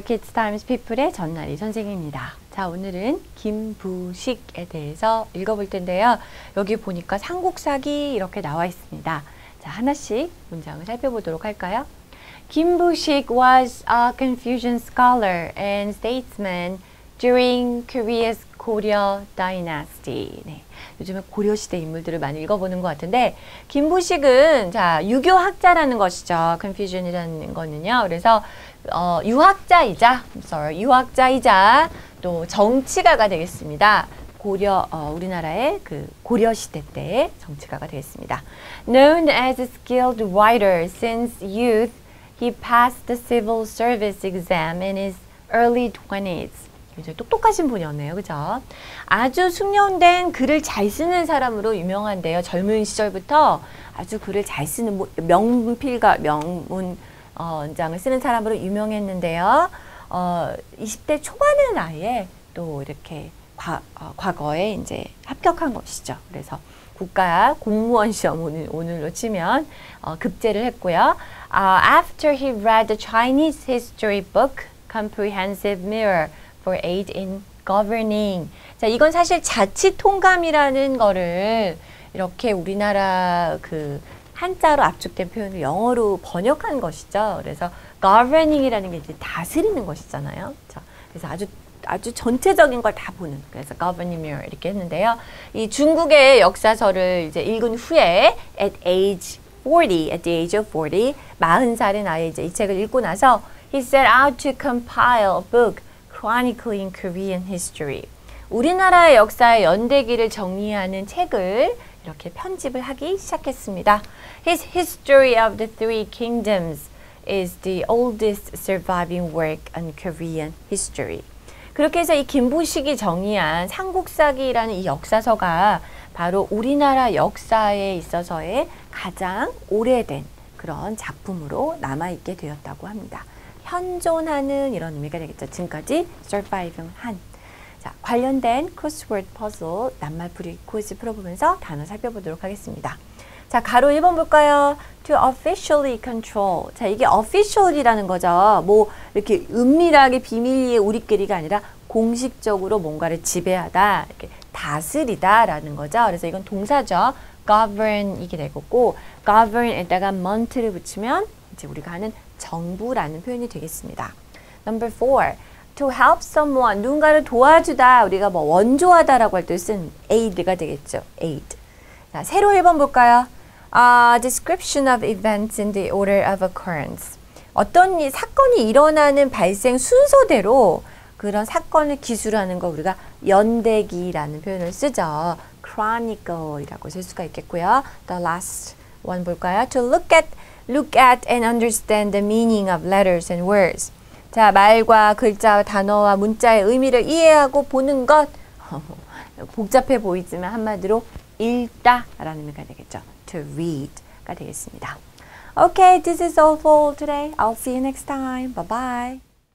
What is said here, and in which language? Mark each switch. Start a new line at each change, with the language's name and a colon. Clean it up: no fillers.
Korean: Kids Times People의 전나리 선생입니다. 자, 오늘은 김부식에 대해서 읽어볼 텐데요. 여기 보니까 삼국사기 이렇게 나와 있습니다. 자, 하나씩 문장을 살펴보도록 할까요?
English: 김부식 was a Confucian scholar and statesman during Korea's 고려 다이나스티.
Korean: 네. 요즘에 고려시대 인물들을 많이 읽어보는 것 같은데 김부식은 자 유교학자라는 것이죠. Confucian이라는 거는요. 그래서 유학자이자 유학자이자 또 정치가가 되겠습니다. 고려 우리나라의 그 고려시대 때의 정치가가 되겠습니다.
English: Known as a skilled writer since youth, he passed the civil service exam in his early 20s.
Korean: 이제 똑똑하신 분이었네요. 그죠? 아주 숙련된 글을 잘 쓰는 사람으로 유명한데요. 젊은 시절부터 아주 글을 잘 쓰는 명필과 명문장을 쓰는 사람으로 유명했는데요. 20대 초반은 아예 또 이렇게 과거에 이제 합격한 것이죠. 그래서 국가 공무원 시험 오늘로 치면 급제를 했고요.
English: After he read the Chinese history book, Comprehensive Mirror, for aid in governing.
Korean: 자, 이건 사실 자치 통감이라는 거를 이렇게 우리나라 그 한자로 압축된 표현을 영어로 번역한 것이죠. 그래서 governing이라는 게 이제 다스리는 것이잖아요. 자, 그래서 아주 전체적인 걸 다 보는. 그래서 governing mirror 이렇게 했는데요. 이 중국의 역사서를 이제 읽은 후에
English: at the age of 40,
Korean: 40살의 나이에 이제 이 책을 읽고 나서
English: he set out to compile a book Chronicling Korean History.
Korean: 우리나라의 역사의 연대기를 정리하는 책을 이렇게 편집을 하기 시작했습니다.
English: His History of the Three Kingdoms is the oldest surviving work on Korean history.
Korean: 그렇게 해서 이 김부식이 정리한 삼국사기라는 이 역사서가 바로 우리나라 역사에 있어서의 가장 오래된 그런 작품으로 남아있게 되었다고 합니다. 현존하는 이런 의미가 되겠죠. 지금까지 surviving 한. 자, 관련된 crossword puzzle 낱말풀이 퀴즈 풀어보면서 단어 살펴보도록 하겠습니다. 자, 가로 1번 볼까요?
English: To officially control.
Korean: 자, 이게 official이라는 거죠. 뭐 이렇게 은밀하게 비밀리에 우리끼리가 아니라 공식적으로 뭔가를 지배하다, 이렇게 다스리다라는 거죠. 그래서 이건 동사죠. govern 이게 되겠고 govern에다가 month를 붙이면 이제 우리가 하는 정부라는 표현이 되겠습니다.
English: Number four, to help someone,
Korean: 누군가를 도와주다, 우리가 뭐 원조하다 라고 할 때 쓴 aid가 되겠죠. aid. 자, 세로 1번 볼까요?
English: Description of events in the order of occurrence.
Korean: 어떤 사건이 일어나는 발생 순서대로 그런 사건을 기술하는 거 우리가 연대기라는 표현을 쓰죠. chronicle이라고 쓸 수가 있겠고요.
English: The last one
Korean: 볼까요?
English: Look at and understand the meaning of letters and words.
Korean: 자, 말과 글자, 단어와 문자의 의미를 이해하고 보는 것. 복잡해 보이지만 한마디로 읽다라는 의미가 되겠죠.
English: To read가
Korean: 되겠습니다.
English: Okay, this is all for today. I'll see you next time. Bye-bye.